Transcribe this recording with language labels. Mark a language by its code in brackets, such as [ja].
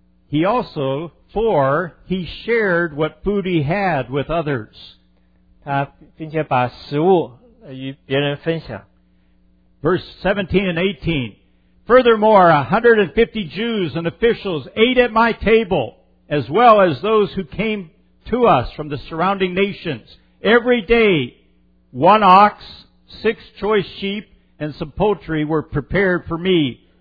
[en] He also, for he shared what food he had with others. [zh] 他并且把食物与别人分享。 [en] Verse 17 and 18. Furthermore, 150 Jews and officials ate at my table, as well as those who came to us from the surrounding nations. Every day, one ox, six choice sheep, and some poultry were prepared for me.